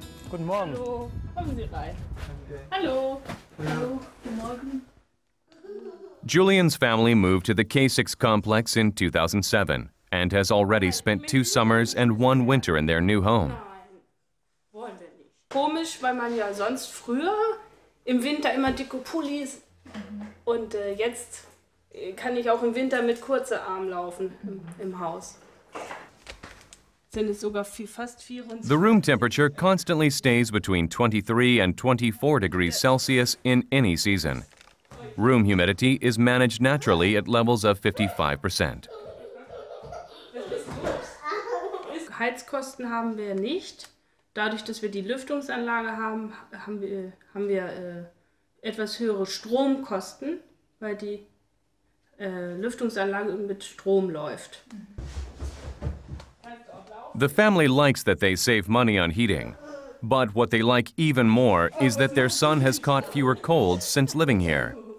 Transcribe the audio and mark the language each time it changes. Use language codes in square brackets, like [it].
[en] Good morning. Hello. [de] Kommen Sie rein. Hallo. Hallo. Guten Morgen. [en] Julian's family moved to the K6 complex in 2007 and has already spent 2 summers and 1 winter in their new home. [de] Komisch, weil man ja sonst früher im Winter immer dicke Pullis und jetzt kann ich auch im Winter mit kurzer Arm laufen im Haus. Sind es sogar fast 24. [en] The room temperature constantly stays between 23 and 24 degrees Celsius in any season. Room humidity is managed naturally at levels of 55%. [de] Heizkosten haben wir nicht. Dadurch, dass wir die Lüftungsanlage haben, haben wir etwas höhere Stromkosten, weil die Lüftungsanlage mit Strom läuft. [en] The family likes that they save money on heating. But what they like even more is that their son has caught fewer colds since living here.